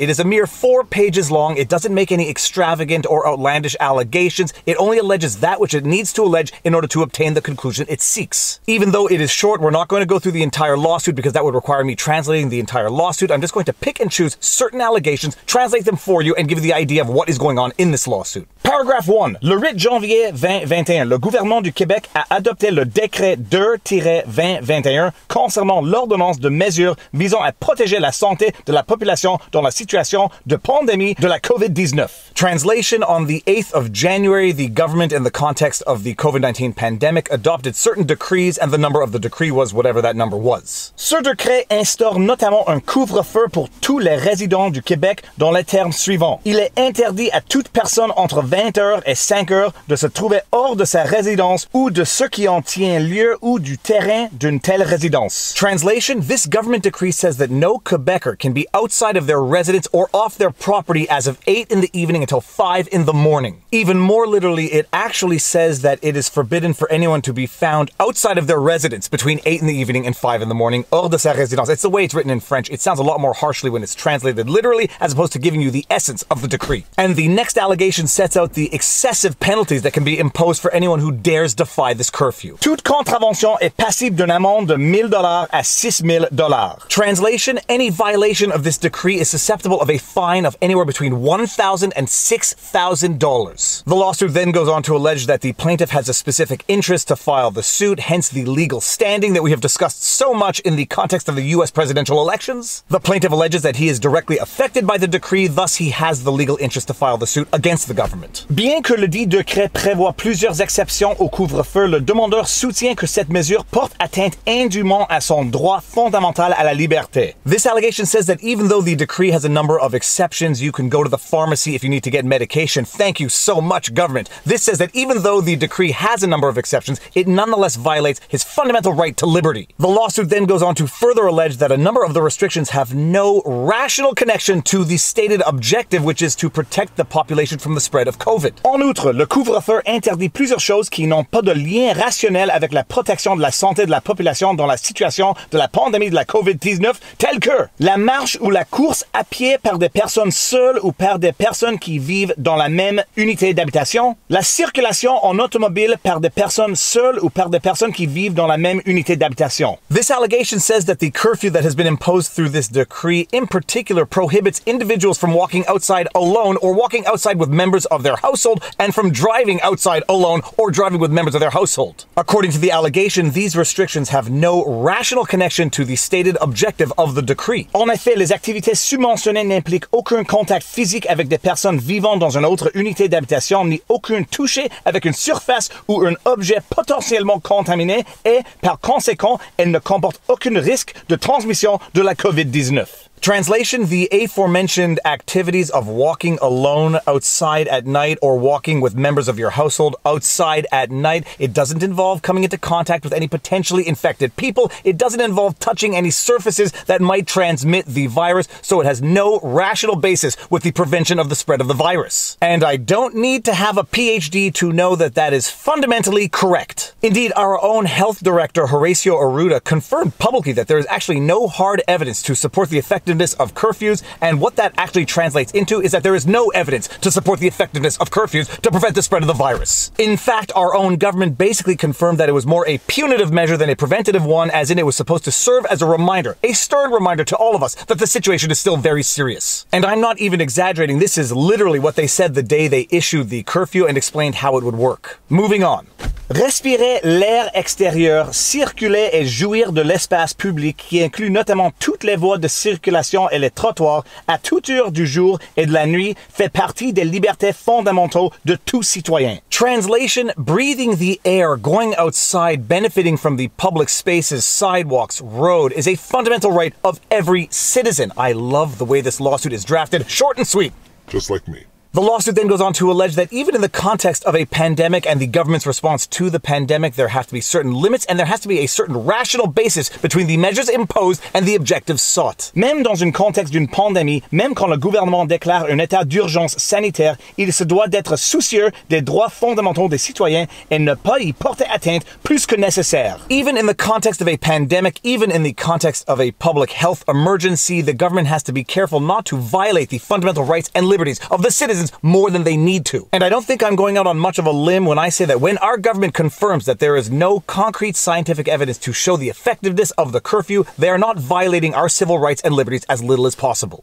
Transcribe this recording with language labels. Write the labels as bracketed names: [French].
[English] It is a mere 4 pages long. It doesn't make any extravagant or outlandish allegations. It only alleges that which it needs to allege in order to obtain the conclusion it seeks. Even though it is short, we're not going to go through the entire lawsuit because that would require me translating the entire lawsuit. I'm just going to pick and choose certain allegations, translate them for you, and give you the idea of what is going on in this lawsuit. Paragraph 1. [French] Le 8 janvier 2021, le gouvernement du Québec a adopté le décret 2-2021 concernant l'ordonnance de mesures visant à protéger la santé de la population dans la situation de pandémie de la COVID-19. [English] Translation: on the 8th of January, the government, in the context of the COVID-19 pandemic, adopted certain decrees, and the number of the decree was whatever that number was. [French] Ce décret instaure notamment un couvre-feu pour tous les résidents du Québec dans les termes suivants. Il est interdit à toute personne entre 20h et 5h de se trouver hors de sa résidence ou de ce qui en tient lieu ou du terrain d'une telle résidence. [English] Translation: this government decree says that no Quebecer can be outside of their residence or off their property as of 8 in the evening until 5 in the morning. Even more literally, it actually says that it is forbidden for anyone to be found outside of their residence between 8 in the evening and 5 in the morning, [French] hors de sa résidence. [English] It's the way it's written in French. It sounds a lot more harshly when it's translated literally, as opposed to giving you the essence of the decree. And the next allegation sets out the excessive penalties that can be imposed for anyone who dares defy this curfew. [French] Toute contravention est passible d'une amende de 1000 $ à 6000 $. [English] Translation, any violation of this decree is susceptible of a fine of anywhere between $1,000 and $6,000. The lawsuit then goes on to allege that the plaintiff has a specific interest to file the suit, hence the legal standing that we have discussed so much in the context of the US presidential elections. The plaintiff alleges that he is directly affected by the decree, thus he has the legal interest to file the suit against the government. [French] Bien que le dit décret prévoit plusieurs exceptions au couvre-feu, le demandeur soutient que cette mesure porte atteinte indûment à son droit fondamental à la liberté. [English] This allegation says that even though the decree has a number of exceptions, you can go to the pharmacy if you need to get medication. Thank you so much, government. This says that even though the decree has a number of exceptions, it nonetheless violates his fundamental right to liberty. The lawsuit then goes on to further allege that a number of the restrictions have no rational connection to the stated objective, which is to protect the population from the spread of COVID. [French] En outre, le couvre-feu interdit plusieurs choses qui n'ont pas de lien rationnel avec la protection de la santé de la population dans la situation de la pandémie de la COVID-19, telle que la marche ou la course à pied par des personnes seules ou par des personnes qui vivent dans la même unité d'habitation, la circulation en automobile par des personnes seules ou par des personnes qui vivent dans la même unité d'habitation. [English] This allegation says that the curfew that has been imposed through this decree in particular prohibits individuals from walking outside alone or walking outside with members of their household and from driving outside alone or driving with members of their household. According to the allegation, these restrictions have no rational connection to the stated objective of the decree. [French] En effet, les activités submentionnées n'impliquent aucun contact physique avec des personnes vivant dans une autre unité d'habitation ni aucun toucher avec une surface ou un objet potentiellement contaminé et, par conséquent, elles ne comportent aucun risque de transmission de la COVID-19. [English] Translation, the aforementioned activities of walking alone outside at night or walking with members of your household outside at night, it doesn't involve coming into contact with any potentially infected people. It doesn't involve touching any surfaces that might transmit the virus, so it has no rational basis with the prevention of the spread of the virus. And I don't need to have a PhD to know that that is fundamentally correct. Indeed, our own health director, Horacio Aruda, confirmed publicly that there is actually no hard evidence to support the effectiveness of curfews, and what that actually translates into is that there is no evidence to support the effectiveness of curfews to prevent the spread of the virus. In fact, our own government basically confirmed that it was more a punitive measure than a preventative one, as in it was supposed to serve as a reminder, a stern reminder to all of us that the situation is still very serious. And I'm not even exaggerating, this is literally what they said the day they issued the curfew and explained how it would work. Moving on. [French] Respirer l'air extérieur, circuler et jouir de l'espace public qui inclut notamment toutes les voies de circulation et les trottoirs à toute heure du jour et de la nuit fait partie des libertés fondamentales de tout citoyen. [English] Translation, breathing the air, going outside, benefiting from the public spaces, sidewalks, road, is a fundamental right of every citizen. I love the way this lawsuit is drafted, short and sweet. Just like me. The lawsuit then goes on to allege that even in the context of a pandemic and the government's response to the pandemic, there have to be certain limits and there has to be a certain rational basis between the measures imposed and the objectives sought. [French] Même dans un contexte d'une pandémie, même quand le gouvernement déclare un état d'urgence sanitaire, il se doit d'être soucieux des droits fondamentaux des citoyens et ne pas y porter atteinte plus que nécessaire. [English] Even in the context of a pandemic, even in the context of a public health emergency, the government has to be careful not to violate the fundamental rights and liberties of the citizens more than they need to. And I don't think I'm going out on much of a limb when I say that when our government confirms that there is no concrete scientific evidence to show the effectiveness of the curfew, they are not violating our civil rights and liberties as little as possible.